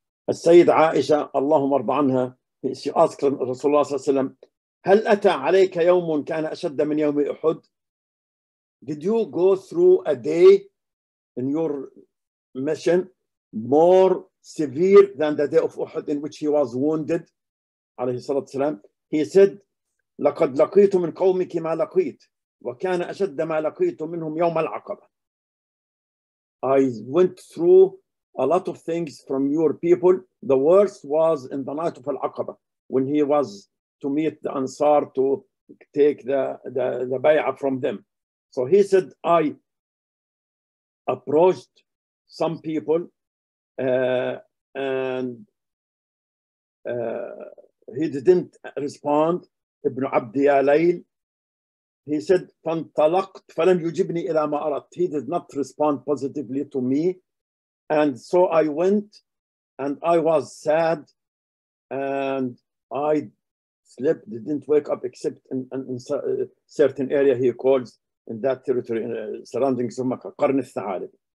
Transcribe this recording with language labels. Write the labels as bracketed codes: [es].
[ar] Sayyid Aisha, Allahumma arda anha, [en] she asked [ar] Rasulullah sallallahu alayhi wa sallam, هل أتى عليك يوم كان أشد من يوم أحد? [en] Did you go through a day in your mission more severe than the day of Uhud in which he was wounded? [ar] عليه الصلاة والسلام. [en] He said, [ar] لقد لقيت من قومك ما لقيت وكان أشد ما لقيت منهم يوم العقبة. [en] I went through a lot of things from your people. The worst was in the night of Al-Aqaba, when he was to meet the Ansar to take the bay'ah from them. So he said, I approached some people and he didn't respond. [ar] Ibn Abdi Alayl, [en] he said, [ar] فانطلقت فلم يجبني إلى ما أردت. [en] He did not respond positively to me. And so I went and I was sad and I slept, didn't wake up except in certain area he calls in that territory surrounding Zumaqa, Qarn al-Thalib.